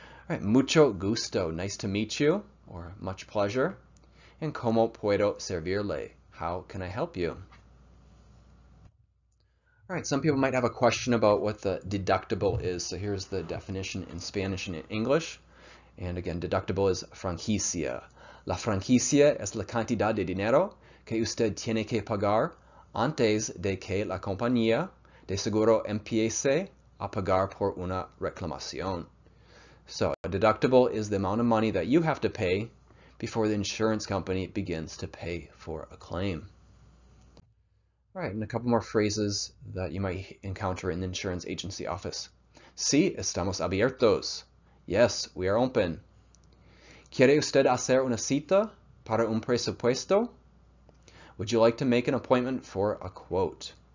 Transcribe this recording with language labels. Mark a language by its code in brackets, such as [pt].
[en] All right, [es] mucho gusto, [en] nice to meet you, or much pleasure. And [es] cómo puedo servirle, [en] how can I help you? All right, some people might have a question about what the deductible is. So here's the definition in Spanish and in English. And again, deductible is franquicia. [es] La franquicia es la cantidad de dinero que usted tiene que pagar antes de que la compañía de seguro empiece a pagar por una reclamación. [en] So a deductible is the amount of money that you have to pay before the insurance company begins to pay for a claim. All right, and a couple more phrases that you might encounter in the insurance agency office. [es] Sí, estamos abiertos. [en] Yes, we are open. [es] ¿Quiere usted hacer una cita para un presupuesto? [en] Would you like to make an appointment for a quote?